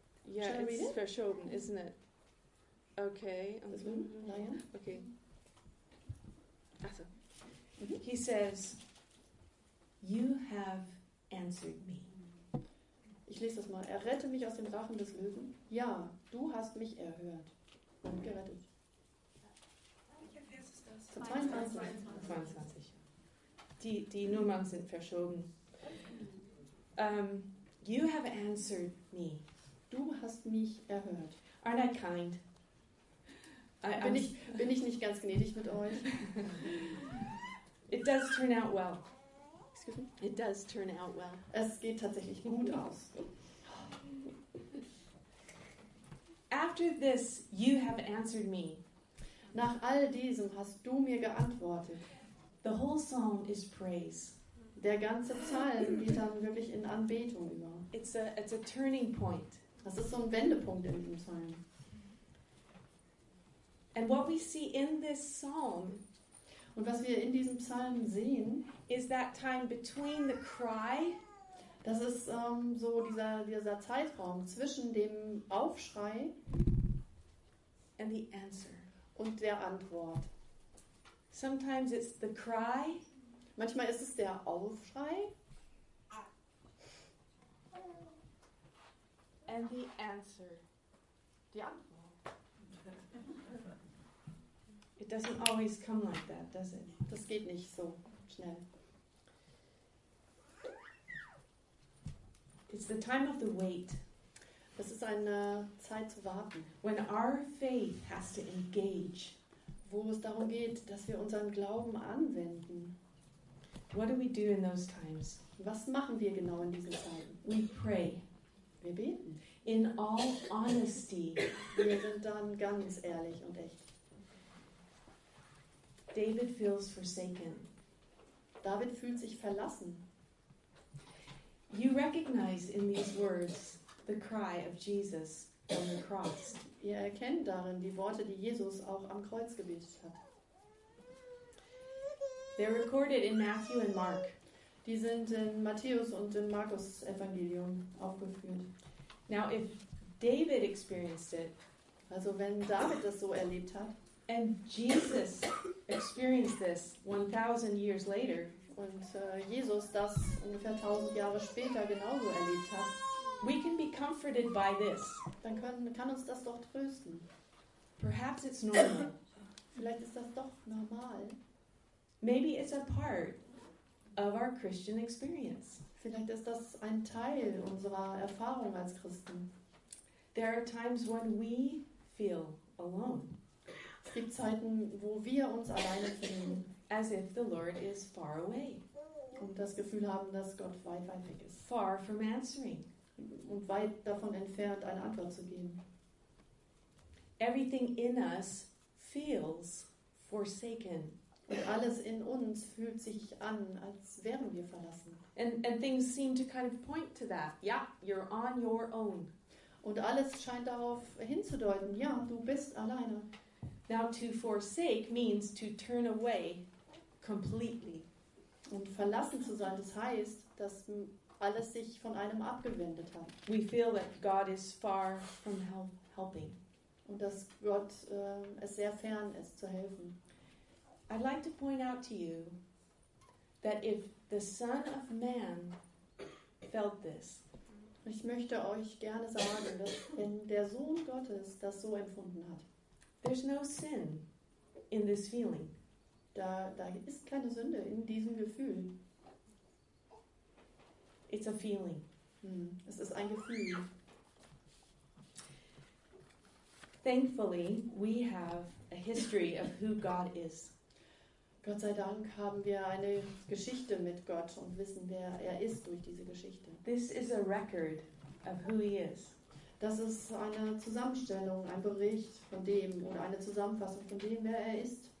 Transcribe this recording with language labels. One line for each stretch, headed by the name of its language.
English: Yeah, it's verschoben, isn't it? Okay. Okay. Also. He says, you have answered me.
German: Ich lese das mal. Errette mich aus dem Rachen des Löwen. Ja, du hast mich erhört und gerettet. Zu 22. 22. Die Nummern sind verschoben.
English: You have answered me.
German: Du hast mich erhört.
English: Aren't I kind?
German: Bin ich nicht ganz gnädig mit euch?
English: It does turn out well. Excuse me? It does turn out well.
German: Es geht tatsächlich gut aus.
English: After this, you have answered me.
German: Nach all diesem hast du mir geantwortet.
English: The whole song is praise.
German: Der ganze Psalm geht dann wirklich in Anbetung über.
English: It's a turning point.
German: Das ist so ein Wendepunkt in diesem Psalm.
English: And what we see in this psalm,
German: und was wir in diesem Psalm sehen,
English: is that time between the cry,
German: das ist so dieser Zeitraum zwischen dem Aufschrei
English: and the answer,
German: und der Antwort.
English: Sometimes it's the cry,
German: manchmal ist es der Aufschrei,
English: and the answer,
German: die Antwort.
English: It doesn't always come like that, does it?
German: Das geht nicht so schnell.
English: It's the time of the wait.
German: Das ist eine Zeit zu warten.
English: When our faith has to engage.
German: Wo es darum geht, dass wir unseren Glauben anwenden.
English: What do we do in those times?
German: Was machen wir genau in diesen Zeiten?
English: We pray.
German: Wir beten.
English: In all honesty.
German: Wir sind dann ganz ehrlich und echt.
English: David feels forsaken.
German: David fühlt sich verlassen.
English: You recognize in these words the cry of Jesus on the cross.
German: Ihr erkennt darin die Worte, die Jesus auch am Kreuz gebetet hat.
English: They're recorded in Matthew and Mark.
German: Die sind in Matthäus und im Markus Evangelium aufgeführt.
English: Now if David experienced it,
German: also wenn David das so erlebt hat,
English: and Jesus experienced this 1000 years later,
German: und Jesus das ungefähr 1000 Jahre später genauso erlebt hat,
English: we can be comforted by this.
German: Dann kann uns das doch trösten.
English: Perhaps it's normal.
German: Vielleicht ist das doch normal.
English: Maybe it's a part of our Christian experience.
German: Vielleicht ist das ein Teil unserer Erfahrung als Christen.
English: There are times when we feel alone.
German: Es gibt Zeiten, wo wir uns alleine fühlen.
English: As if the Lord is far away.
German: Und das Gefühl haben, dass Gott weit, weit weg ist.
English: Far from answering.
German: Und weit davon entfernt, eine Antwort zu geben.
English: Everything in us feels forsaken.
German: Und alles in uns fühlt sich an, als wären wir verlassen.
English: And things seem to kind of point to that. Yeah, you're on your own.
German: Und alles scheint darauf hinzudeuten, ja, du bist alleine.
English: Now to forsake means to turn away completely.
German: Und verlassen zu sein, das heißt, dass alles sich von einem abgewendet hat.
English: We feel that God is far from helping.
German: Und dass Gott es sehr fern ist zu helfen.
English: I'd like to point out to you that if the Son of Man felt this,
German: ich möchte euch gerne sagen, dass wenn der Sohn Gottes das so empfunden hat,
English: there's no sin in this feeling.
German: Da ist keine Sünde in diesem Gefühl.
English: It's a feeling.
German: Es ist ein Gefühl.
English: Thankfully, we have a history of who God is.
German: Gott sei Dank haben wir eine Geschichte mit Gott und wissen, wer er ist durch diese Geschichte.
English: This is a record of who he is.
German: Das ist eine Zusammenstellung, ein Bericht von dem oder eine Zusammenfassung von dem, wer er ist.